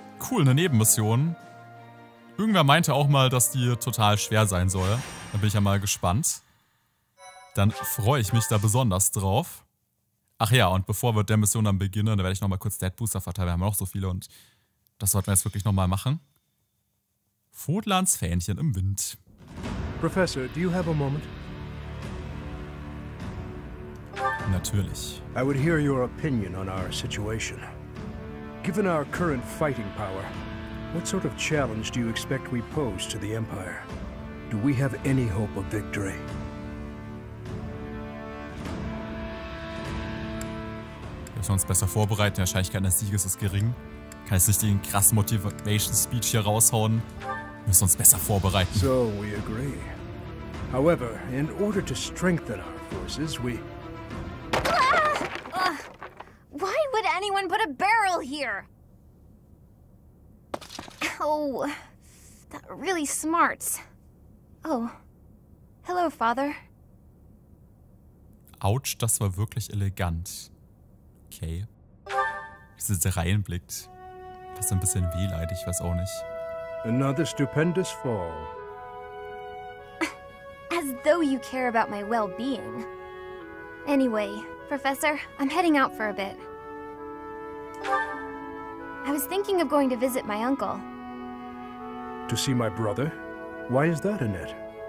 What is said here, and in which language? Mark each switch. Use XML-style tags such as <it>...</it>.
<de>cool, eine Nebenmission. Irgendwer meinte auch mal, dass die total schwer sein soll. Da bin ich ja mal gespannt. dann freue ich mich da besonders drauf. Ach ja, und bevor wir der Mission dann beginnen, dann werde ich nochmal kurz Dead Booster verteilen. Wir haben noch so viele und das sollten wir jetzt wirklich nochmal machen. Fotlands Fähnchen im Wind.</de> <en>Professor, do you have a moment?</en> <de>Natürlich.</de> <en>I would hear your opinion on our situation. Given our current fighting power, what sort of challenge do you expect we pose to the Empire? Do we have any hope of victory?</en> <de>Wir müssen uns besser vorbereiten. Die Wahrscheinlichkeit eines Sieges ist gering. Kann jetzt nicht den krassen Motivation-Speech hier raushauen. Wir müssen uns besser vorbereiten.</de> <en>So, we agree. However, in order to strengthen our forces, we... Why would anyone put a barrel here? Oh, that really smarts. Oh, hello, father.</en> <de>Autsch, das war wirklich elegant. Okay. Dass sie reinblickt. Das ist ein bisschen wehleidig, weiß auch nicht.</de> <en>Another stupendous fall. As though you care about my well-being. Anyway, Professor, I'm heading out for a bit. I was thinking of going to visit my uncle. To see my brother? Why is that, Annette?</en>